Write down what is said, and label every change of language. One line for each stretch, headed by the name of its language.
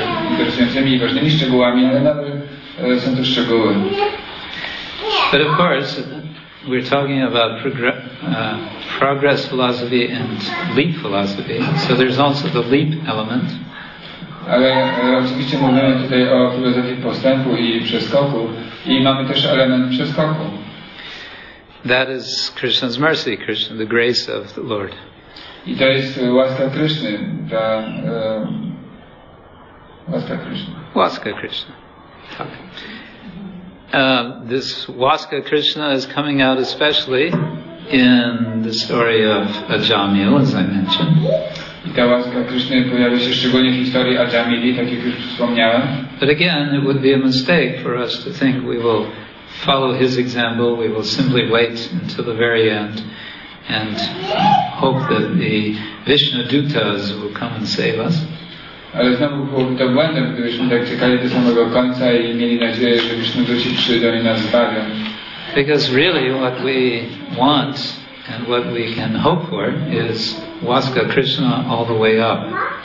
Polish: Interesującymi i ważnymi szczegółami, ale nadal są to szczegóły.
English: But of course, we're talking about progress philosophy and leap philosophy, so there's also the leap element.
Polish: Ale oczywiście mówimy tutaj o filozofii postępu i przeskoku i mamy też element przeskoku.
English: That is Krishna's mercy, Krishna, the grace of the Lord.
Polish: I to jest łaska Krishny, ta łaska Krishna. Łaska Krishna. Tak.
English: This
Polish: łaska Krishna
English: is coming out especially in the story of Ajamil, as I mentioned.
Polish: I ta łaska Krishna pojawia się szczególnie w historii Ajamili, tak jak już wspomniałem.
English: But again, it would be a mistake for us to think we will follow his example, we will simply wait until the very end and hope that the Vishnu Dutas will come and save us.
Polish: Ale znowu byłoby to błędem, gdybyśmy tak czekali do samego końca i mieli nadzieję, że Vishnu Duci przyjdą i nas zbawią.
English: Because really what we want and what we can hope for is
Polish: łaska Krishna
English: all the way up.